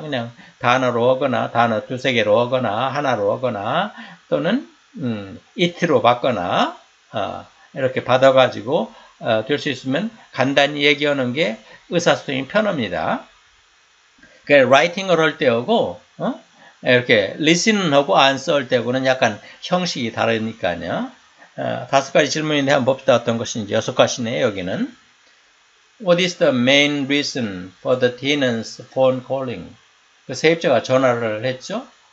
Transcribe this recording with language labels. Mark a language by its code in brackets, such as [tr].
[ko] 그냥 단어로 하거나, 단어 두세 개로 하거나, 하나로 하거나, 또는 it로 받거나 이렇게 받아가지고 될 수 있으면 간단히 얘기하는 게 의사소통이 편합니다. 그 라이팅을 할 때하고 이렇게 리슨하고 안써할 때하고는 약간 형식이 다르니까요. 다섯 가지 질문인데 한번 봅시다. 어떤 것인지 여섯 가지네요. 여기는 [en] What is the main reason for the tenant's phone calling? [ko] 그 세입자가 전화를 했죠.